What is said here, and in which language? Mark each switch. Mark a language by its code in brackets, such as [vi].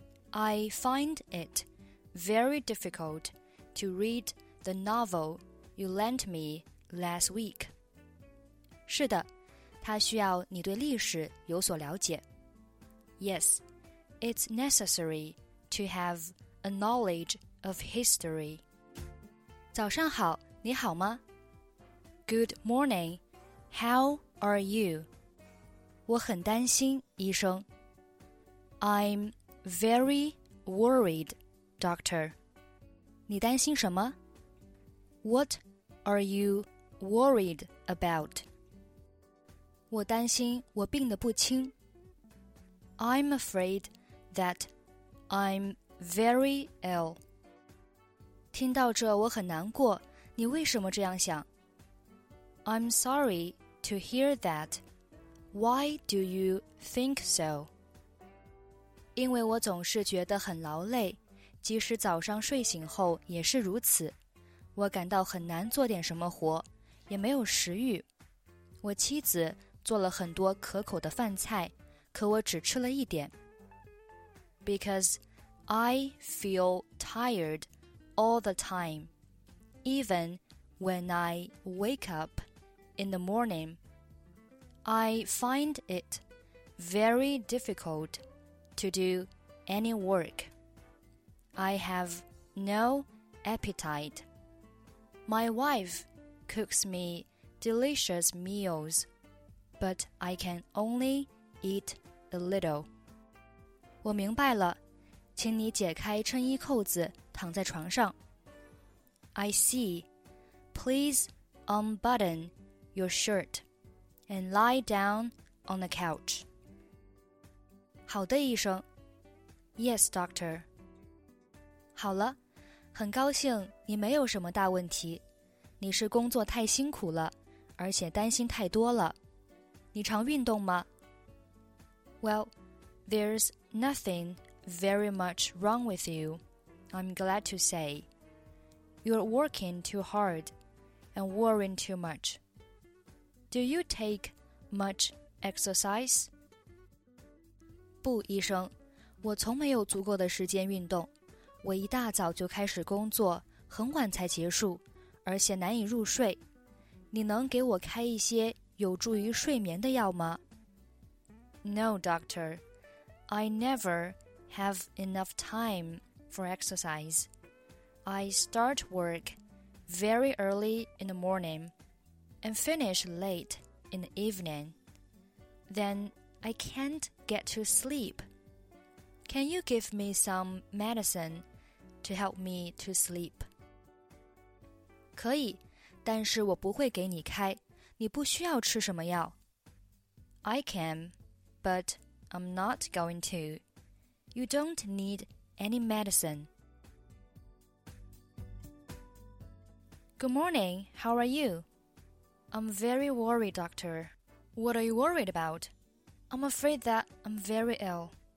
[en] I find it very difficult to read the novel you lent me last week. [zh] 是的，它需要你对历史有所了解。 [en] Yes, it's necessary to have a knowledge of history. [zh] 早上好，你好吗？ [en] Good morning, how are you? [zh] 我很担心，医生。 [en] I'm very worried, doctor. [zh] 你担心什么？ [en] What are you worried about? [zh] 我担心我病得不轻。 [en] I'm afraid that I'm very ill. [zh] 听到这我很难过，你为什么这样想？ [en] I'm sorry to hear that. Why do you think so? [zh] 因为我总是觉得很劳累，即使早上睡醒后也是如此。我感到很难做点什么活，也没有食欲。我妻子做了很多可口的饭菜，可我只吃了一点。 [en] Because I feel tired all the time, even when I wake up. In the morning, I find it very difficult to do any work. I have no appetite. My wife cooks me delicious meals, but I can only eat a little. [zh] 我明白了，请你解开衬衣扣子，躺在床上。 [en] I see. Please unbutton. Your shirt, and lie down on the couch. [zh] 好的，医生。 [en] Yes, doctor. [zh] 好了，很高兴你没有什么大问题。你是工作太辛苦了，而且担心太多了。你常运动吗？ [en] Well, there's nothing very much wrong with you, I'm glad to say. You're working too hard and worrying too much. Do you take much exercise? [zh] 不，医生，我从没有足够的时间运动。我一大早就开始工作，很晚才结束，而且难以入睡。你能给我开一些有助于睡眠的药吗？ [en] No, doctor. I never have enough time for exercise. I start work very early in the morning. And finish late in the evening. Then I can't get to sleep. Can you give me some medicine to help me to sleep? [zh] 可以，但是我不会给你开，你不需要吃什么药。 [en] I can, but I'm not going to. You don't need any medicine. Good morning, how are you? I'm very worried, doctor. What are you worried about? I'm afraid that I'm very ill.